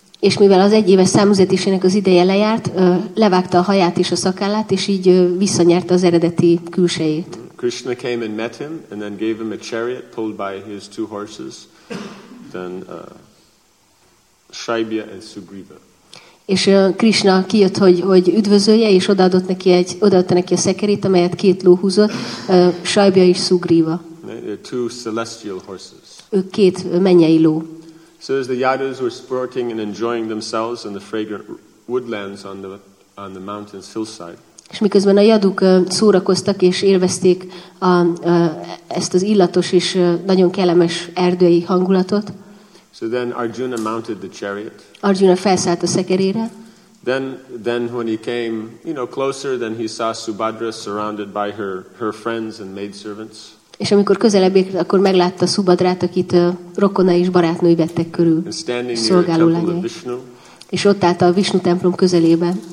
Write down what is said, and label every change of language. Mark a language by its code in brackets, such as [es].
[hu] És mivel az egy éves számüzetésének az ideje lejárt, levágta a haját és a szakállát, és így visszanyerte az eredeti külsejét. [en] Krishna came and met him, and then gave him a chariot pulled by his two horses, then Shaibya and Sugriva. [hu] És Krishna kijött, hogy üdvözölje, és odaadta neki a szekerét, amelyet két ló húzott, Shaibya és Sugriva. [en] They're two celestial horses. [hu] Ők két mennyei ló. [en] So as the Yadus were sporting and enjoying themselves in the fragrant woodlands on the mountain's hillside. [hu] És miközben a Yaduk szórakoztak és élvezték ezt az illatos és nagyon kellemes erdői hangulatot. [en] So then Arjuna mounted the chariot. [hu] Arjuna felszállt a szekerére. [en] Then when he came, you know, closer, then he saw Subhadra surrounded by her friends and maidservants. [hu] És amikor közelebb ért, akkor meglátta Subhadrát, akit rokona és barátnői vettek körül, szolgáló lányai. És ott állt a Vishnu templom közelében.